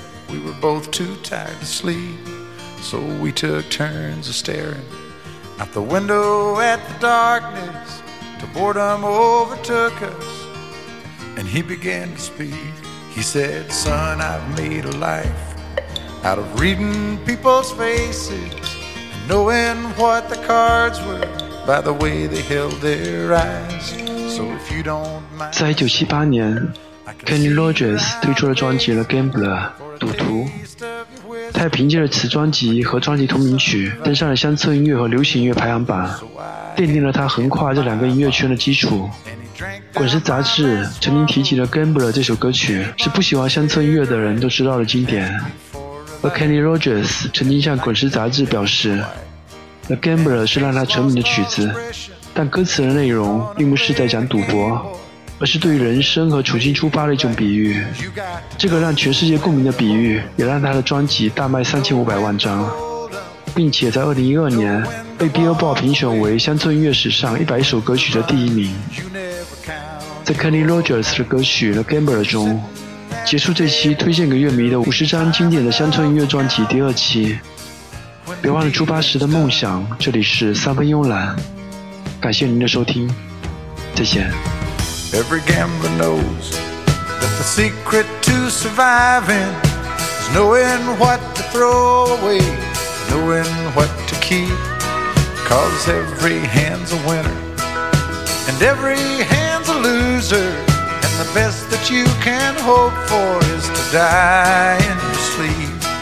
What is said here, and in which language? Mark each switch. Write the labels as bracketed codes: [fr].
[en] We were both too tired to sleep, so we took turns of staring out the window at the darkness till boredom overtook us. And he began to speak. He said, "Son, I've made a life out of reading people's faces and knowing what the cards were by the way they held their eyes." So if you don't mind. [zh] 在1978年 Kenny Rogers 推出了专辑《The Gambler》赌徒，他也凭借了此专辑和专辑同名曲登上了乡村音乐和流行音乐排行榜，奠定了他横跨这两个音乐圈的基础。滚石杂志曾经提起了《Gambler》这首歌曲是不喜欢乡村音乐的人都知道的经典，而 Kenny Rogers 曾经向滚石杂志表示，The Gambler 是让他成名的曲子，但歌词的内容并不是在讲赌博，而是对于人生和重新出发的一种比喻。这个让全世界共鸣的比喻也让他的专辑大卖3500万张，并且在2012年被 Billboard 评选为乡村音乐史上100首歌曲的第一名。在 Kenny Rogers 的歌曲 The Gambler 中结束这期推荐给乐迷的50张经典的乡村音乐专辑第二期。别忘了出发时的梦想，这里是三分慵懒，感谢您的收听。再见。 [en] Every gambler knows that the secret to surviving is knowing what to throw away, knowing what to keep, 'cause every hand's a winner and every hand's a loser, and the best that you can hope for is to die in your sleep.